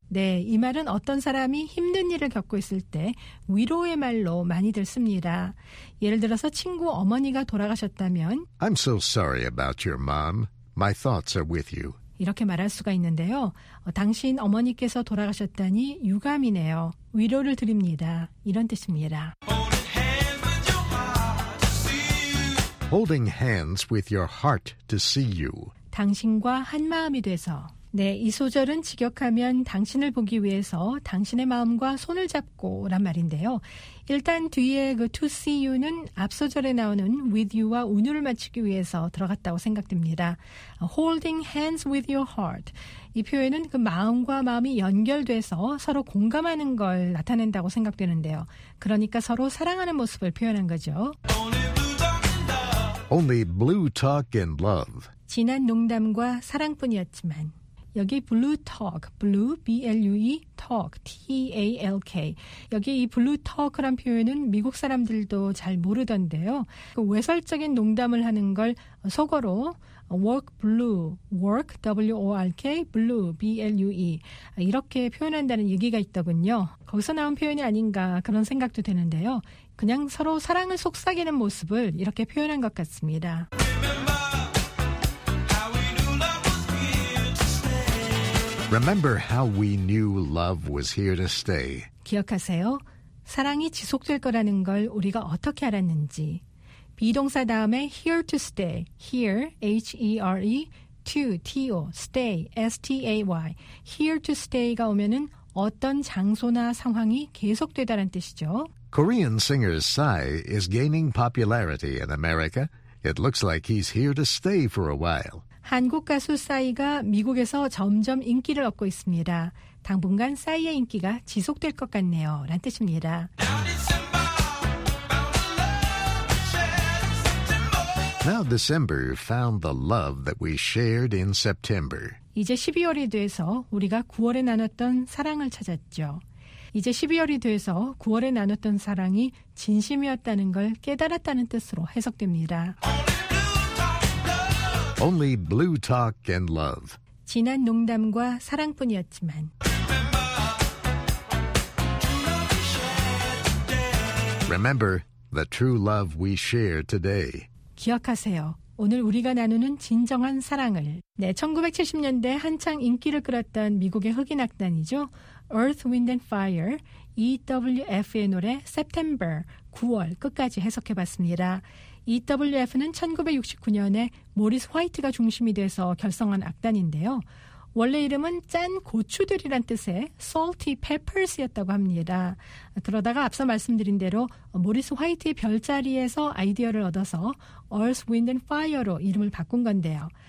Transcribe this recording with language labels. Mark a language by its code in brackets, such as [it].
[ko] 네, 이 말은 어떤 사람이 힘든 일을 겪고 있을 때 위로의 말로 많이들 씁니다. 예를 들어서 친구 어머니가 돌아가셨다면 [en] I'm so sorry about your mom. My thoughts are with you. [ko] 이렇게 말할 수가 있는데요. 당신 어머니께서 돌아가셨다니 유감이네요. 위로를 드립니다. 이런 뜻입니다. [en] Holding hands with your heart to see you. [ko] 당신과 한 마음이 돼서. 네, 이 소절은 직역하면 당신을 보기 위해서 당신의 마음과 손을 잡고란 말인데요. 일단 뒤에 그 [en] to see you [ko] 는 앞 소절에 나오는 with you와 운율을 맞추기 위해서 들어갔다고 생각됩니다. [en] Holding hands with your heart. [ko] 이 표현은 그 마음과 마음이 연결돼서 서로 공감하는 걸 나타낸다고 생각되는데요. 그러니까 서로 사랑하는 모습을 표현한 거죠. [en] Only blue talk and love. [ko] 진한 농담과 사랑뿐이었지만 여기 [en] blue talk, blue, B-L-U-E, talk, T-A-L-K. [ko] 여기 이 blue talk란 표현은 미국 사람들도 잘 모르던데요. 그 외설적인 농담을 하는 걸 속어로 [en] work blue, work, W-O-R-K, blue, B-L-U-E [ko] 이렇게 표현한다는 얘기가 있더군요. 거기서 나온 표현이 아닌가 그런 생각도 되는데요. 그냥 서로 사랑을 속삭이는 모습을 이렇게 표현한 것 같습니다. 기억하세요. 사랑이 지속될 거라는 걸 우리가 어떻게 알았는지. 비동사 다음에 [en] here to stay. Here, H-E-R-E, to, T-O, stay, S-T-A-Y. Here to stay [ko] 가 오면은 어떤 장소나 상황이 계속되다란 뜻이죠. [en] Korean singer Psy is gaining popularity in America. It looks like he's here to stay for a while. [ko] 한국 가수 싸이가 미국에서 점점 인기를 얻고 있습니다. 당분간 싸이의 인기가 지속될 것 같네요. 라는 뜻입니다. 이제 12월이 돼서 우리가 9월에 나눴던 사랑을 찾았죠. 이제 12월이 돼서 9월에 나눴던 사랑이 진심이었다는 걸 깨달았다는 뜻으로 해석됩니다. [en] Only blue talk and love. [ko] 진한 농담과 사랑뿐이었지만 [en] Remember the true love we share today. [ko] 기억하세요. 오늘 우리가 나누는 진정한 사랑을. 네, 1970년대 한창 인기를 끌었던 미국의 흑인 악단이죠. Earth, Wind and Fire, EWF의 노래 September, 9월 끝까지 해석해봤습니다. EWF는 1969년에 모리스 화이트가 중심이 돼서 결성한 악단인데요. 원래 이름은 짠 고추들이란 뜻의 Salty Peppers였다고 합니다. 그러다가 앞서 말씀드린 대로 모리스 화이트의 별자리에서 아이디어를 얻어서 Earth, Wind and Fire로 이름을 바꾼 건데요.